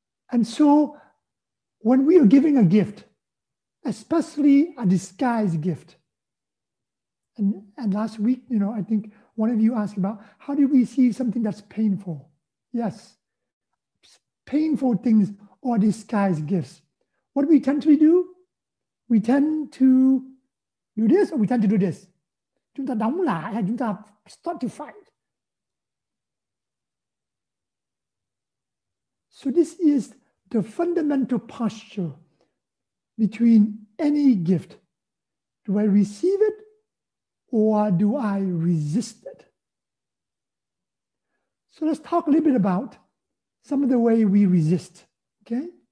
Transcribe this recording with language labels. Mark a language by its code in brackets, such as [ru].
[en] And so when we are giving a gift, especially a disguised gift, and last week, you know, I think one of you asked about how do we see something that's painful? Yes. Painful things are disguised gifts. What we tend to do? We tend to do this or we tend to do this? [vi] Chúng ta đóng lại hay chúng ta [en] start to fight? So this is the fundamental posture between any gift. Do I receive it or do I resist it? So let's talk a little bit about some of the way we resist, okay?